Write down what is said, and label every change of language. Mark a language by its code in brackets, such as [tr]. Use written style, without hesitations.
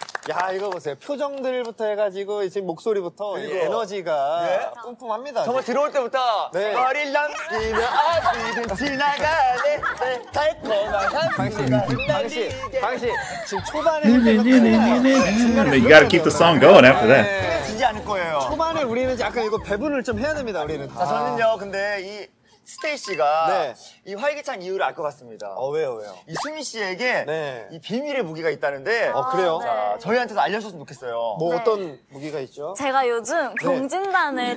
[ko] 야, 이거 보세요. 표정들부터 해가지고 지금 목소리부터 이거. 에너지가 뿜뿜합니다. 네? 정말 들어올 때부터 네. 머리를 넘기면 어디든 지나가네 달콤한 방식이 방식 지금 초반에 [en] But you gotta keep the song going after that. [ko] 않을 거예요. 초반에 우리는 약간 이거 배분을 좀 해야 됩니다. 우리는 자, 저는요 근데 이 스테이씨가 네. 이 활기찬 이유를 알 것 같습니다. 왜요? 이 수민씨에게 네. 이 비밀의 무기가 있다는데 그래요? 자, 저희한테도 알려주셨으면 좋겠어요. 뭐 네. 어떤 무기가 있죠? 제가 요즘 경진단을 네.